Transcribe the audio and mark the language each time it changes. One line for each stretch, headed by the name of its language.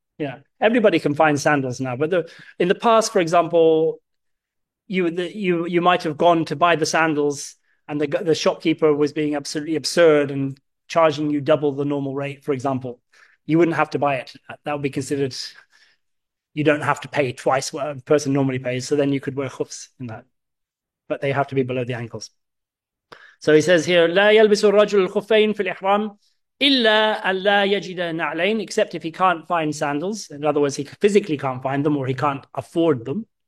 English: yeah, everybody can find sandals now. But in the past, for example, you might have gone to buy the sandals, and the shopkeeper was being absolutely absurd and charging you double the normal rate, for example. You wouldn't have to buy it. That would be considered, you don't have to pay twice what a person normally pays. So then you could wear khufs in that. But they have to be below the ankles. So he says here,
Arabic: لا يلبس الرجل الخفين في الإحرام إلا أن لا يجد نعلين,
English: except if he can't find sandals. In other words, he physically can't find them, or he can't afford them.